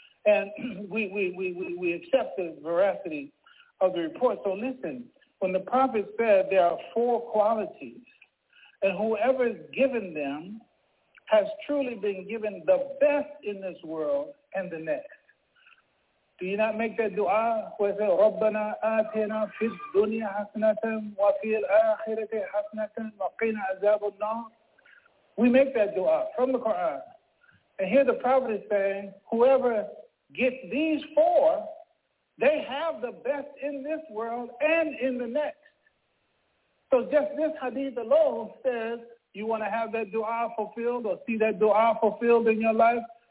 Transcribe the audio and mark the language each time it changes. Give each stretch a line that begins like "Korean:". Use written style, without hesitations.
English: And we accept the veracity of the report. So listen, when the Prophet said there are four qualities, and whoever is given them has truly been given the best in this world and the next. Do you not make that dua where it says,
Arabic: رَبَّنَا آتِنَا فِي الدُّنْيَا حَسْنَةً وَفِي الْآخِرَةِ حَسْنَةً وَقِنَا عَذَابُ النَّارِ?
English: We make that dua from the Quran. And here the Prophet is saying, whoever get these four, they have the best in this world and in the next. So just this hadith alone says, you want to have that dua fulfilled or see that dua fulfilled in your life?